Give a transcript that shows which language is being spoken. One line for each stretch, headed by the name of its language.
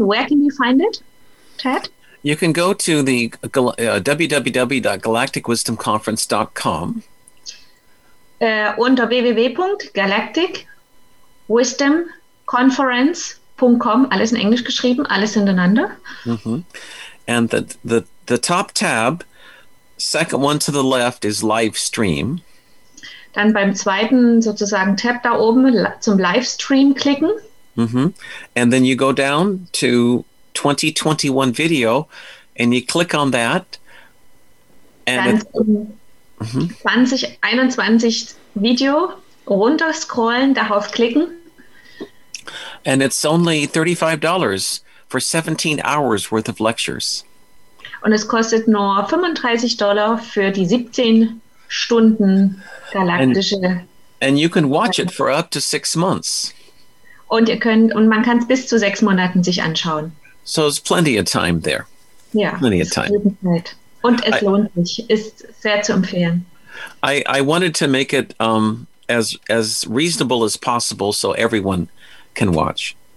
English: Where can you find it, Ted? You can go to the www.galacticwisdomconference.com
German: unter www.galacticwisdomconference.com, alles in Englisch geschrieben, alles hintereinander. Mm-hmm.
English: And the top tab, second one to the left, is Livestream.
German: Dann beim zweiten sozusagen Tab da oben zum Livestream klicken. Mm-hmm.
English: And then you go down to 2021 Video and you click on that.
German: And dann zum 2021 Video runter scrollen, darauf klicken.
English: And it's only $35 for 17 hours worth of lectures.
German: Und es kostet nur $35 für die 17 Stunden galaktische.
English: And you can watch it for up to 6 months.
German: Und man kann es bis zu 6 Monaten sich anschauen.
English: So there's plenty of time there.
German: Ja,
English: plenty of time.
German: Und es lohnt sich, ist sehr zu empfehlen.
English: I wanted to make it as reasonable as possible, so everyone can watch.